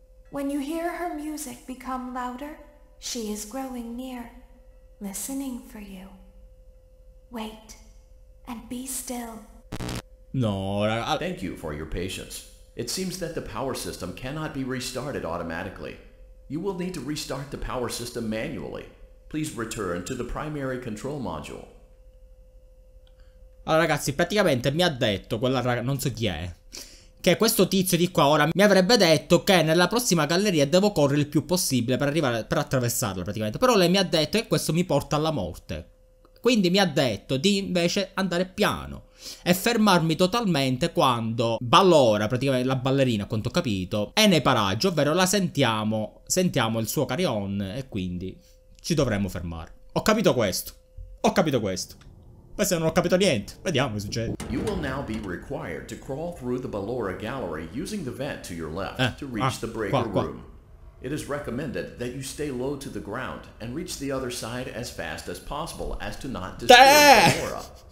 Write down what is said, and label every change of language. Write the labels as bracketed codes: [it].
[en] When you hear her music become louder, she is growing near, listening for you. Wait, and be still. No, thank you for your patience. It seems that the power system cannot be restarted automatically. You will need to restart the power system manually. Please return to the primary control module. [it] Allora ragazzi, praticamente mi ha detto quella ragazza, non so chi è, che questo tizio di qua ora mi avrebbe detto che nella prossima galleria devo correre il più possibile per arrivare, per attraversarla praticamente. Però lei mi ha detto che questo mi porta alla morte. Quindi mi ha detto di invece andare piano e fermarmi totalmente quando Ballora, praticamente la ballerina a quanto ho capito, è nei paraggi, ovvero la sentiamo, sentiamo il suo carion e quindi ci dovremmo fermare. Ho capito questo. Ma se non ho capito niente, vediamo che succede. [en] You will now be required to crawl through the Ballora Gallery using the vent to your left to reach the breaker room. It is recommended that you stay low to the ground and reach the other side as fast as possible as to not disturb Ballora.